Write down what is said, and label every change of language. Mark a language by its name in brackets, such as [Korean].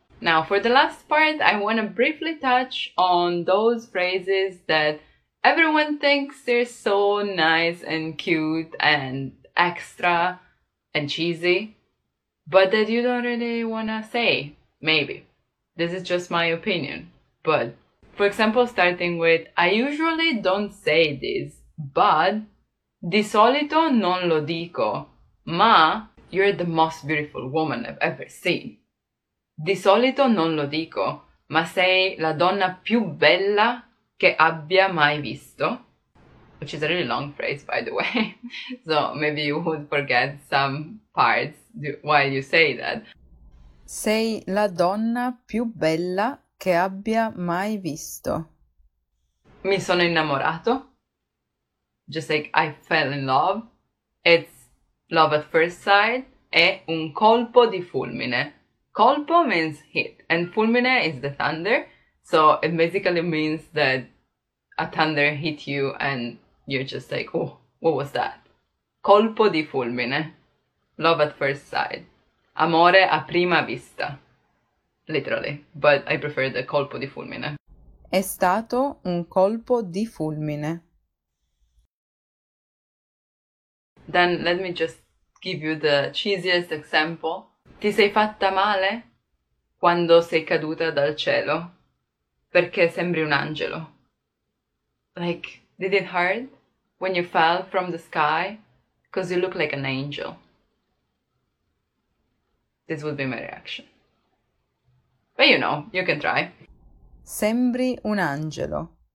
[English] Now, for the last part, I want to briefly touch on those phrases that everyone thinks they're so nice and cute and extra and cheesy, but that you don't really want to say, maybe. This is just my opinion. But, for example, starting with, I usually don't say this, but [Italian] di solito non lo dico, ma [English] you're the most beautiful woman I've ever seen. [Italian] Di solito non lo dico, ma sei la donna più bella che abbia mai visto. [English] Which is a really long phrase, by the way. So maybe you would forget some parts while you say that. [Italian] Sei la donna più bella che abbia mai visto. Mi sono innamorato. [English] Just like I fell in love. It's love at first sight. [Italian] È un colpo di fulmine. [English] Colpo means hit, and fulmine is the thunder, so it basically means that a thunder hit you and you're just like, oh, what was that? [Italian] Colpo di fulmine, [English] love at first sight, [Italian] amore a prima vista, [English] literally, but I prefer the [Italian] colpo di fulmine. È stato un colpo di fulmine. [English] Then let me just give you the cheesiest example. [Italian] Ti sei fatta male quando sei caduta dal cielo perché sembri un angelo. [English] Like, did it hurt when you fell from the sky? Because you look like an angel. This would be my reaction. But you know, you can try. [Italian] Sembri un angelo.